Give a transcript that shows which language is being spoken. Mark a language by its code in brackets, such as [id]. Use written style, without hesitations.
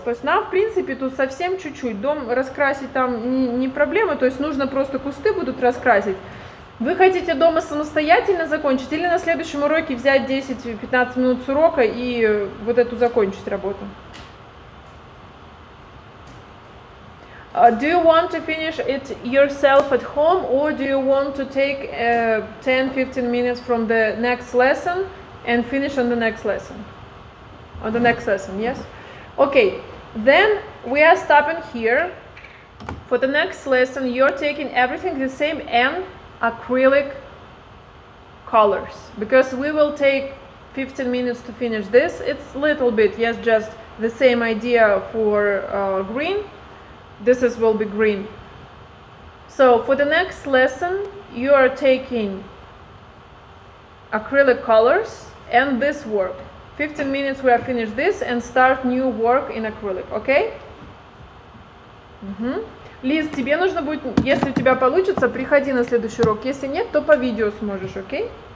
[ru] То есть нам, в принципе, тут совсем чуть-чуть. Дом раскрасить там не проблема. То есть нужно просто кусты будут раскрасить. Вы хотите дома самостоятельно закончить или на следующем уроке взять 10-15 минут с урока и вот эту закончить работу? [en] Do you want to finish it yourself at home or do you want to take 10-15 minutes from the next lesson and finish on the next lesson? On the next lesson, yes? Okay, then we are stopping here. For the next lesson, you're taking everything the same and acrylic colors, because we will take 15 minutes to finish this. It's a little bit, yes, just the same idea for green. This is will be green. So for the next lesson, you are taking acrylic colors and this work. 15 minutes we have finished this and start new work in acrylic, okay? Mm-hmm. [ru] Лиз, тебе нужно будет, если у тебя получится, приходи на следующий урок. Если нет, то по видео сможешь, окей?